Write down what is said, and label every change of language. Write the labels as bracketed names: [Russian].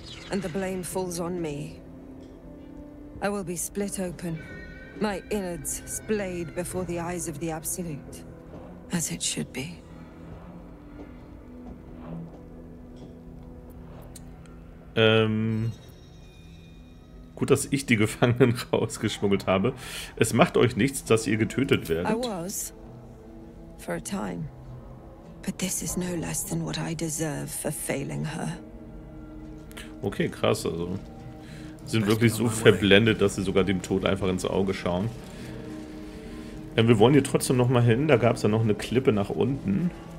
[English] And the blame falls on me. I will be split open, my innards splayed before the eyes of the Absolute, as it should be. [German] Gut, dass ich die Gefangenen rausgeschmuggelt habe. Es macht euch nichts, dass ihr getötet werdet. [English] I was, for a time. But this is no less than what I deserve for failing her. [German] Okay, krass, also sind wirklich so verblendet, dass sie sogar dem Tod einfach ins Auge schauen. Wir wollen hier trotzdem nochmal hin, da gab es ja noch eine Klippe nach unten.